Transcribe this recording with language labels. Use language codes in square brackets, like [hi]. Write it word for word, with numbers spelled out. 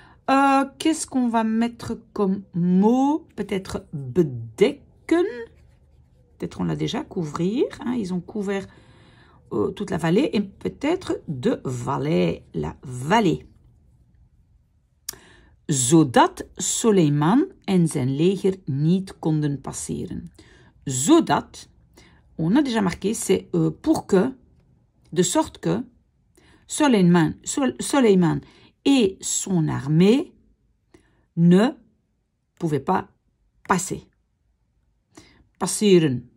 [fr] Euh, qu'est-ce qu'on va mettre comme mot? Peut-être bedekken. Peut-être on l'a déjà, couvrir, hein, ils ont couvert euh, toute la vallée, et peut-être de vallée, la vallée. [nl] Zodat Soleiman en zijn leger niet konden passeren. [fr] Zodat, on a déjà marqué, c'est euh, pour que, de sorte que, Soleiman, Sol, Soleiman et son armée ne pouvaient pas passer. Passeren.